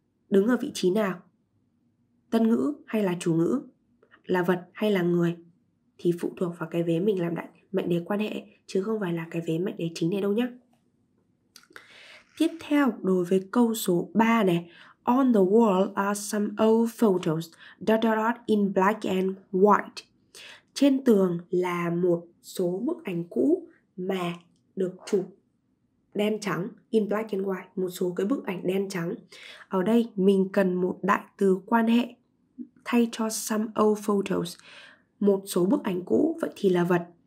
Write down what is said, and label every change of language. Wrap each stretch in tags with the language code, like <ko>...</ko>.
<vi>Đứng ở vị trí nào, tân ngữ hay là chủ ngữ, là vật hay là người, thì phụ thuộc vào cái vế mình làm đại mệnh đề quan hệ, chứ không phải là cái vế mệnh đề chính này đâu nhé. Tiếp theo đối với câu số 3 này.</vi> <en>On the wall are some old photos dot dot dot in black and white.</en> <vi>Trên tường là một số bức ảnh cũ mà được chụp đen trắng,</vi> <en>in black and white,</en> <vi>một số cái bức ảnh đen trắng. Ở đây mình cần một đại từ quan hệ thay cho</vi> <en>some old photos,</en> <vi>một số bức ảnh cũ, vậy thì là vật.</vi>